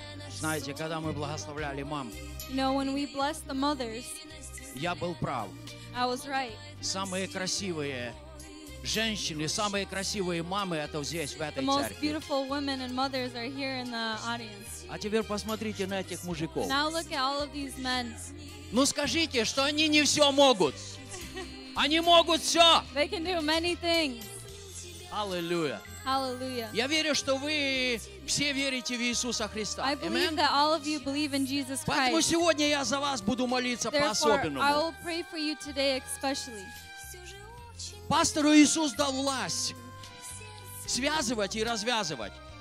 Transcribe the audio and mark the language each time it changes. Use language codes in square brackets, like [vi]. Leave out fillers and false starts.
[ru] Знаете, когда мы благословляли мам, [en] you know, when we blessed the mothers, [ru] я был прав. [en] I was right. [ru] Самые красивые женщины, самые красивые мамы это здесь, в этой церкви. [en] The most beautiful women and mothers are here in the audience. [ru] А теперь посмотрите на этих мужиков. [en] Now look at all of these men. [ru] Ну скажите, что они не все могут. Они могут все. [en] They can do many things. [ru] Аллилуйя. [en] Hallelujah. [ru] Я верю, что вы все верите в Иисуса Христа. [en] I believe Amen. That all of you believe in Jesus Christ. [ru] Поэтому сегодня я за вас буду молиться [en] Therefore, [ru] по-особенному. [en] I will pray for you today especially. [ru] Пастору Иисус дал власть связывать и развязывать.